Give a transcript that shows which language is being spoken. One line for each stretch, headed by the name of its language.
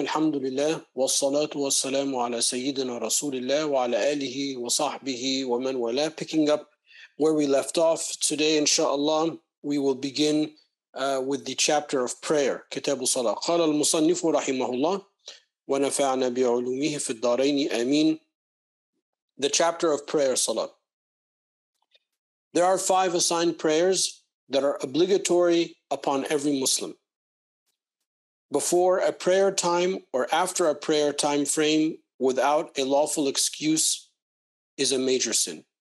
Arabic: الحمد لله والصلاة والسلام على سيدنا رسول الله وعلى آله وصحبه ومن والاه.
English: Picking up where we left off today, inshallah, we will begin with the chapter of prayer,
Arabic: كتاب الصلاة. قال المصنف رحمه الله ونفعنا بعلومه في الدارين آمين.
English: The chapter of prayer, صلاة. There are five assigned prayers that are obligatory upon every Muslim. Before a prayer time or after a prayer time frame without a lawful excuse is a major sin.